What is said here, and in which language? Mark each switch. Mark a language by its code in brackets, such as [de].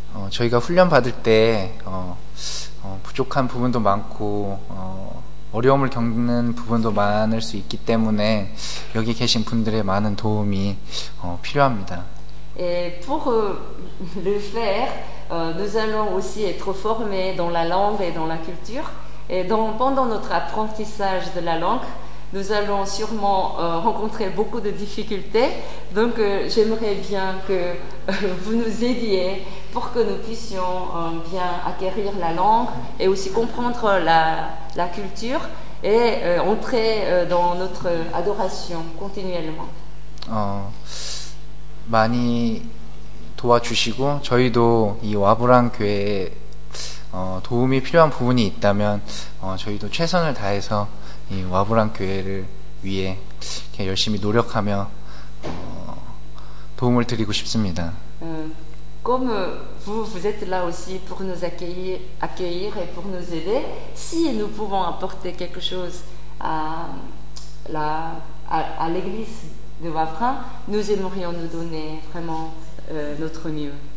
[ko] 저희가 훈련 받을 때 부족한 부분도 많고 어려움을 겪는 부분도 많을 수 있기 때문에 여기 계신 분들의 많은 도움이 필요합니다. [fr] Et pour le faire, nous allons aussi être formés dans la langue et dans la culture. Et donc, pendant notre apprentissage de la langue, nous allons sûrement rencontrer beaucoup de difficultés. Donc, j'aimerais bien que vous nous aidiez pour que nous puissions bien acquérir la langue et aussi comprendre la culture et entrer dans notre adoration continuellement. [ko] 많이 도와주시고 저희도 이 와브랑 교회에 도움이 필요한 부분이 있다면 저희도 최선을 다해서 이 와브랑 교회를 위해 이렇게 열심히 노력하며 도움을 드리고 싶습니다. [fr] Comme vous êtes là aussi pour nous accueillir et pour nous aider, si nous pouvons apporter quelque chose à l'église de Wafra, nous aimerions nous donner vraiment notre mieux.